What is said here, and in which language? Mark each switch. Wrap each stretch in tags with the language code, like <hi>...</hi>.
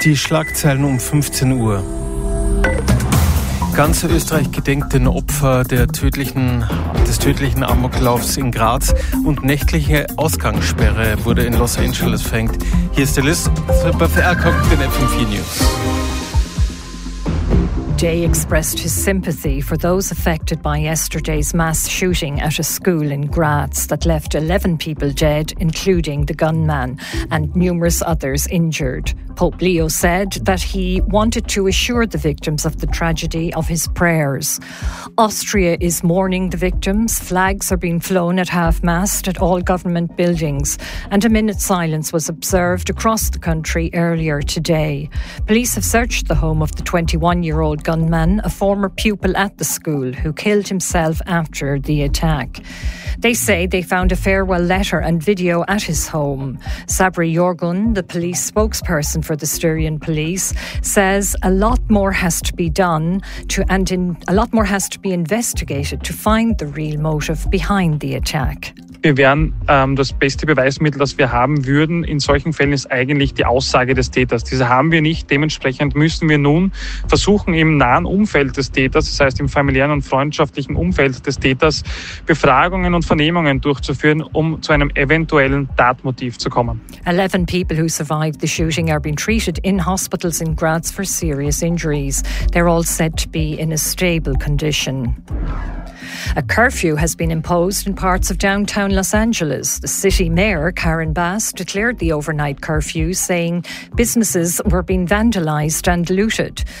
<de>Die Schlagzeilen um 15 Uhr. Ganz Österreich gedenkt den Opfer des tödlichen Amoklaufs in Graz und nächtliche Ausgangssperre wurde in Los Angeles verhängt. Hier ist der List von den FM4 News.</de> <en>Jay expressed his sympathy for those affected by yesterday's mass shooting at a school in Graz that left 11 people dead, including the gunman, and numerous others injured. Pope Leo said that he wanted to assure the victims of the tragedy of his prayers. Austria is mourning the victims. Flags are being flown at half-mast at all government buildings, and a minute's silence was observed across the country earlier today. Police have searched the home of the 21-year-old gunman, a former pupil at the school, who killed himself after the attack. They say they found a farewell letter and video at his home. Sabri Jorgun, the police spokesperson for the Styrian police, says a lot more has to be done a lot more has to be investigated to find the real motive behind the attack.</en> <de>Wir wären das beste Beweismittel, das wir haben würden in solchen Fällen, ist eigentlich die Aussage des Täters. Diese haben wir nicht. Dementsprechend müssen wir nun versuchen, im nahen Umfeld des Täters, das heißt im familiären und freundschaftlichen Umfeld des Täters, Befragungen und Vernehmungen durchzuführen, um zu einem eventuellen Tatmotiv zu kommen.</de> <en>11 people who survived the shooting are being treated in hospitals in Graz for serious injuries. They're all said to be in a stable condition. A curfew has been imposed in parts of downtown Los Angeles. The city mayor, Karen Bass, declared the overnight curfew, saying businesses were being vandalized and looted.</en>